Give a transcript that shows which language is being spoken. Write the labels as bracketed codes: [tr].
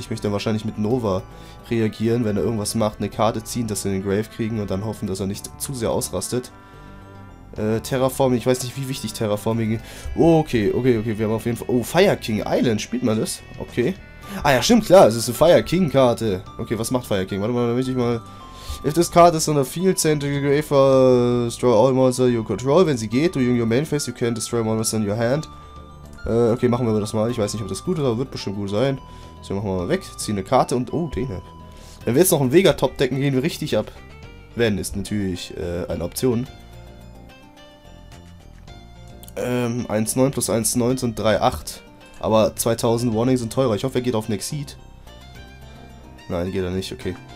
[de] Ich möchte dann wahrscheinlich mit Nova reagieren, wenn er irgendwas macht, eine Karte ziehen, dass wir den Grave kriegen und dann hoffen, dass er nicht zu sehr ausrastet. Terraforming, ich weiß nicht, wie wichtig Terraforming ist. Okay, okay, okay, wir haben auf jeden Fall... Oh, Fire King Island, spielt man das? Okay. Ah ja, stimmt, klar, es ist eine Fire King Karte. Okay, was macht Fire King? Warte mal, da möchte ich mal... [en] If this card is on a field, send the Grave, destroy all monsters you control. [de] Wenn sie geht, [en] during your main phase, you can destroy monsters in your hand. [de] Okay, machen wir das mal. Ich weiß nicht, ob das gut ist, aber wird bestimmt gut sein. So, machen wir mal weg. Ziehen eine Karte und... Oh, den. Wenn wir jetzt noch einen Vega-Top decken, gehen wir richtig ab. Wenn, ist natürlich eine Option. 1,9 plus 1,9 sind 3,8. Aber 2000 Warnings sind teurer. Ich hoffe, er geht auf Nexeed. Nein, geht er nicht, okay.